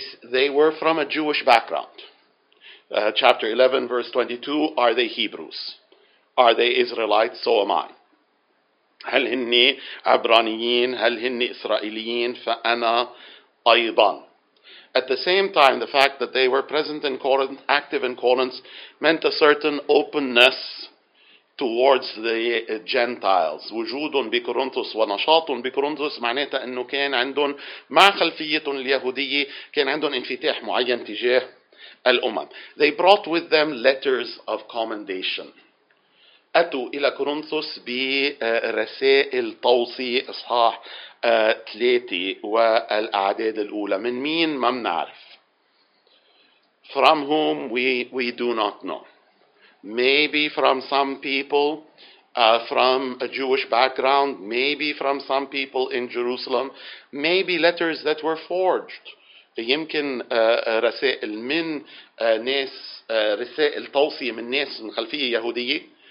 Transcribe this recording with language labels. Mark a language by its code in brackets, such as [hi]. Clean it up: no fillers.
[en] They were from a Jewish background. Chapter 11, verse 22, are they Hebrews? Are they Israelites? So am I. [ar] هل هني عبرانيين؟ هل هني إسرائيليين؟ فأنا أيضا. [en] At the same time, the fact that they were present in Corinth, active in Corinth, meant a certain openness towards the Gentiles. [ar] وجودهم بكورنثوس ونشاطهم بكورنثوس معناتها أنه كان عندهم مع خلفيتهم اليهودية كان عندهم انفتاح معين تجاه الأمم. [en] They brought with them letters of commendation. [ar] أتوا إلى كورنثوس برسائل توصية إصحاح 3 والأعداد الأولى. من مين ما منعرف. [en] From whom we do not know. Maybe from some people from a Jewish background. Maybe from some people in Jerusalem. Maybe letters that were forged. [ar] يمكن رسائل من ناس رسائل توصية من ناس من خلفية يهودية.